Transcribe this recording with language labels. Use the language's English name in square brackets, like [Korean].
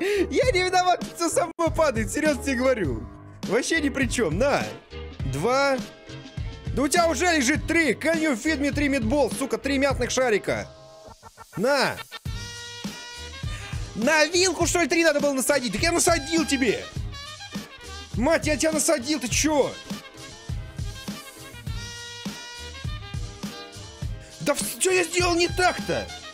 [Russian] Я не виноват, все само падает, серьезно тебе говорю. Вообще ни при чем, на. Два. Да у тебя уже лежит три. [English] Can you feed me three meatballs, [Russian] сука, три мятных шарика. На. На вилку, что ли, три надо было насадить? Так я насадил тебе. Мать, я тебя насадил, ты че? Да что я сделал не так-то?